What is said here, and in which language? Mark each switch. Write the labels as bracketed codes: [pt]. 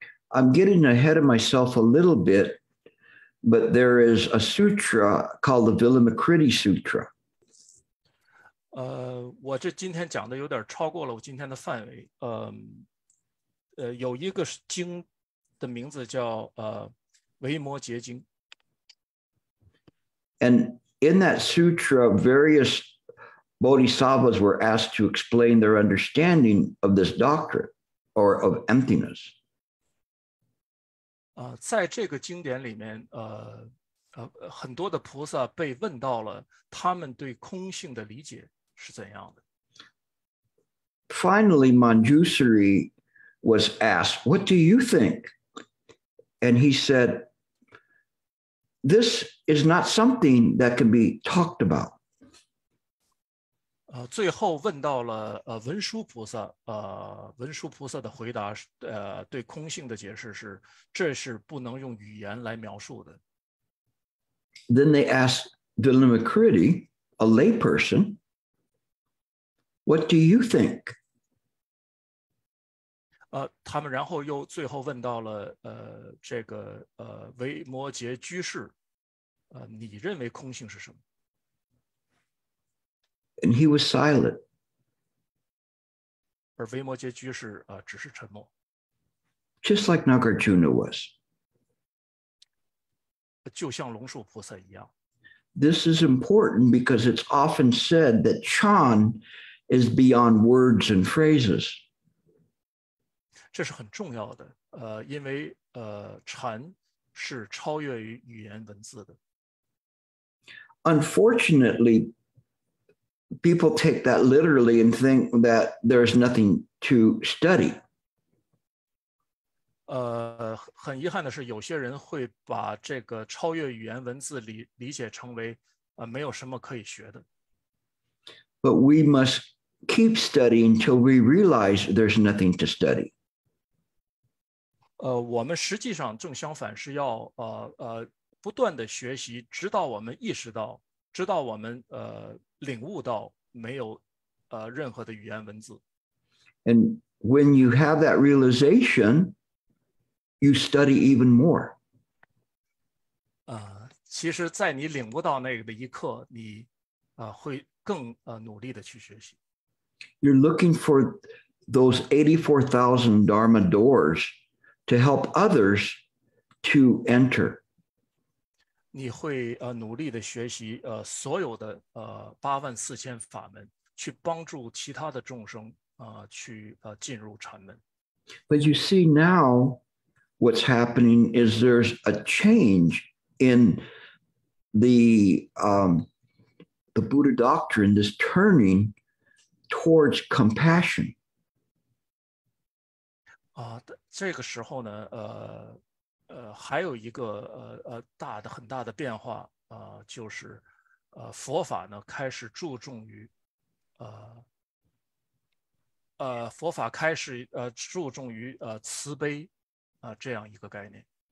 [en] I'm getting ahead of myself a little bit, but there is a sutra called the Vilamakriti Sutra. [zh] 我这今天讲的有点超过了我今天的范围。有一个经的名字叫维摩诘经。 [en] And in that sutra, various bodhisattvas were asked to explain their understanding of this doctrine or of emptiness. [zh] 在这个经典里面，很多的菩萨被问到了他们对空性的理解是怎样的。 [en] Finally, Manjusri was asked, "What do you think?" And he said, "This is not something that can be talked about." [zh] 最后问到了文殊菩萨，文殊菩萨的回答，对空性的解释是，这是不能用语言来描述的。 [en] Then they asked Vilimokriti, a lay person, "What do you think?" [zh] 他们然后又最后问到了这个维摩诘居士，你认为空性是什么？ [en] And he was silent. [zh] 而维摩诘居士只是沉默。 [en] Just like Nagarjuna was. [zh] 就像龙树菩萨一样。 [en] This is important because it's often said that Chan is beyond words and phrases. [zh] 这是很重要的，因为禅是超越于语言文字的。 [en] Unfortunately, people take that literally and think that there is nothing to study. [zh] 很遗憾的是，有些人会把这个超越语言文字理解成为没有什么可以学的。 [en] But we must keep studying until we realize there's nothing to study. [zh] 我们实际上正相反，是要不断的学习，直到我们意识到，直到我们领悟到没有任何的语言文字。 [en] And when you have that realization, you study even more. [zh] 其实在你领悟到那个的一刻，你会更努力的去学习。 [en] You're looking for those 84,000 Dharma doors to help others to enter. [zh] 你会努力的学习所有的84,000法门，去帮助其他的众生去进入禅门。 [en] But you see now what's happening is there's a change in the Buddha doctrine, this turning towards compassion. [zh] 这个时候呢，还有一个大的很大的变化，就是佛法呢开始注重于佛法开始注重于慈悲这样一个概念。